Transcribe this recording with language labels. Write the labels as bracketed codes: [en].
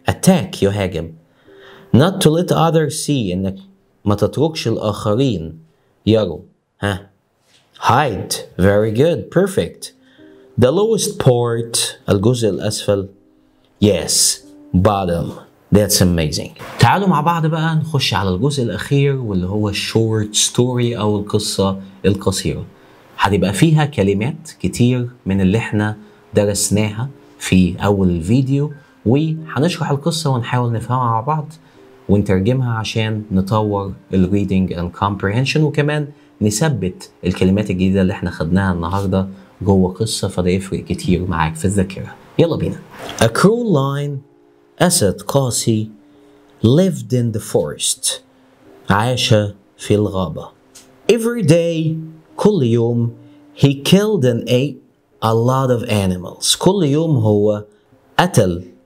[en] Attack, يهاجم. Not to let others see, [ar] انك ما تتركش الآخرين يارو [en] ها height very good perfect the lowest part [ar] الجزء الأسفل [en] yes bottom that's amazing [ar] تعالوا مع بعض بقى نخش على الجزء الأخير واللي هو [en] short story [ar] أو القصة القصيرة هتبقى فيها كلمات كتير من اللي احنا درسناها في أول الفيديو وحنشرح القصة ونحاول نفهمها مع بعض ونترجمها عشان نطور الـ [en] reading and comprehension [ar] وكمان نثبت الكلمات الجديدة اللي احنا خدناها النهاردة جوه قصة فده يفرق كتير معاك في الذاكرة يلا بينا [en] A cruel lion [ar] أسد قاسي [en] lived in the forest [ar] عاش في الغابة [en] Every day [ar] كل يوم [en] he killed and ate a lot of animals [ar] كل يوم هو قتل